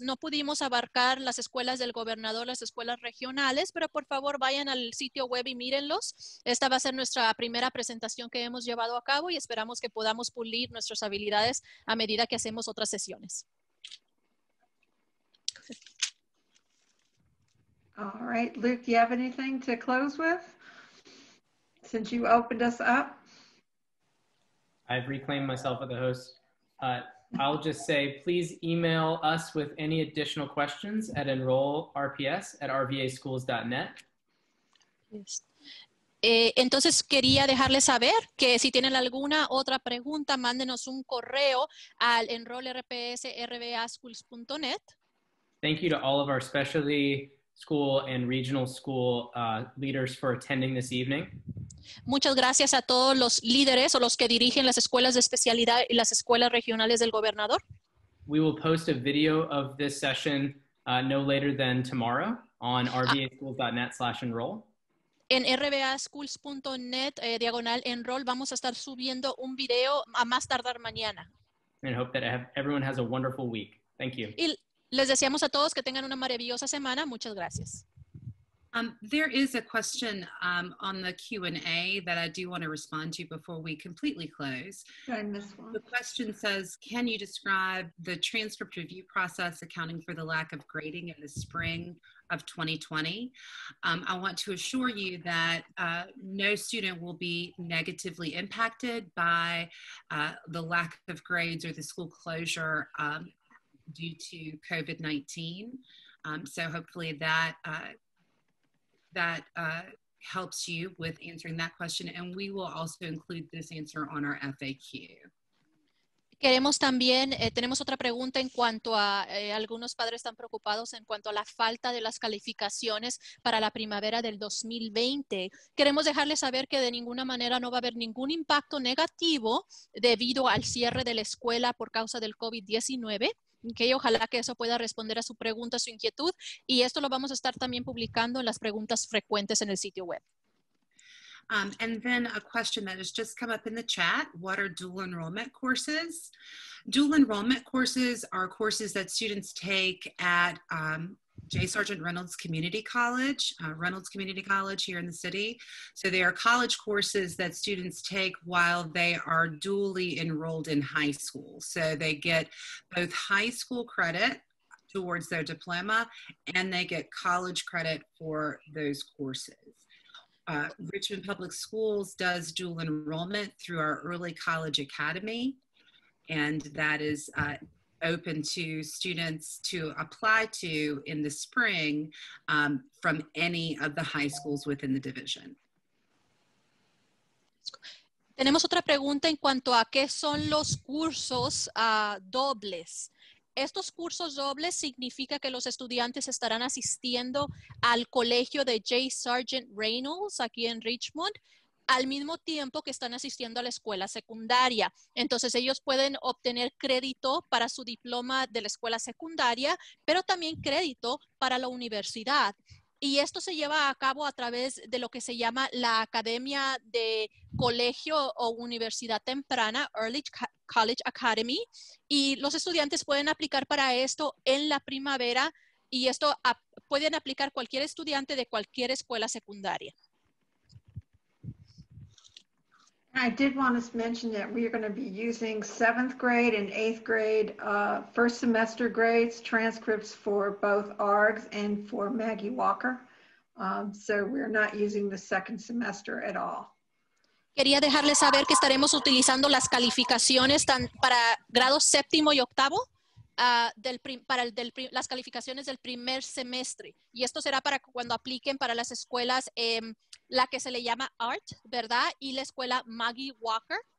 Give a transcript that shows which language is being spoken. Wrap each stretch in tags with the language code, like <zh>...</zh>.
<es>No pudimos abarcar las escuelas del gobernador, las escuelas regionales, pero por favor vayan al sitio web y mírenlos. Esta va a ser nuestra primera presentación que hemos llevado a cabo y esperamos que podamos pulir nuestras habilidades a medida que hacemos otras sesiones.</es> <en>All right, Luke, do you have anything to close with? Since you opened us up. I've reclaimed myself as the host. I'll just say, please email us with any additional questions at enrollrps@rvaschools.net. Yes.</en> <es>Entonces quería dejarles saber que si tienen alguna otra pregunta, mándenos un correo al enrollrps@rvaschools.net.</es> <en>Thank you to all of our specialty school and regional school leaders for attending this evening.</en> <es>Muchas gracias a todos los líderes o los que dirigen las escuelas de especialidad y las escuelas regionales del gobernador.</es> <en>We will post a video of this session no later than tomorrow on rvaschools.net/enroll.</en> <es>En rvaschools.net /enroll vamos a estar subiendo un video a más tardar mañana.</es> <en>And hope that everyone has a wonderful week. Thank you.</en> <es>Y les deseamos a todos que tengan una maravillosa semana. Muchas gracias.</es> <en>There is a question on the Q&A that I do want to respond to before we completely close. The question says, can you describe the transcript review process accounting for the lack of grading in the spring of 2020? I want to assure you that no student will be negatively impacted by the lack of grades or the school closure due to COVID-19. So hopefully that helps you with answering that question, and we will also include this answer on our FAQ.</en> <es>Queremos también, tenemos otra pregunta en cuanto a, algunos padres están preocupados en cuanto a la falta de las calificaciones para la primavera del 2020. Queremos dejarles saber que de ninguna manera no va a haber ningún impacto negativo debido al cierre de la escuela por causa del COVID-19. Okay, ojalá que eso pueda responder a su pregunta, su inquietud, y esto lo vamos a estar también publicando en las preguntas frecuentes en el sitio web.</es> <en>And then a question that has just come up in the chat, what are dual enrollment courses? Dual enrollment courses are courses that students take at J. Sargent Reynolds Community College, Reynolds Community College here in the city. So they are college courses that students take while they are dually enrolled in high school. So they get both high school credit towards their diploma and they get college credit for those courses. Richmond Public Schools does dual enrollment through our Early College Academy, and that is open to students to apply to in the spring from any of the high schools within the division.</en> <es>Tenemos otra pregunta en cuanto a qué son los cursos dobles. Estos cursos dobles significa que los estudiantes estarán asistiendo al colegio de J. Sargent Reynolds aquí en Richmond al mismo tiempo que están asistiendo a la escuela secundaria. Entonces ellos pueden obtener crédito para su diploma de la escuela secundaria, pero también crédito para la universidad. Y esto se lleva a cabo a través de lo que se llama la Academia de Colegio o Universidad Temprana, Early College Academy. Y los estudiantes pueden aplicar para esto en la primavera y esto pueden aplicar cualquier estudiante de cualquier escuela secundaria.</es> <en>I did want to mention that we are going to be using 7th grade and 8th grade first semester grades, transcripts for both ARGS and for Maggie Walker. So we're not using the second semester at all.</en> <es>Quería dejarles saber que estaremos utilizando las calificaciones para grados séptimo y octavo las calificaciones del primer semestre. Y esto será para cuando apliquen para las escuelas la que se le llama ART, ¿verdad? Y la escuela Maggie Walker,</es>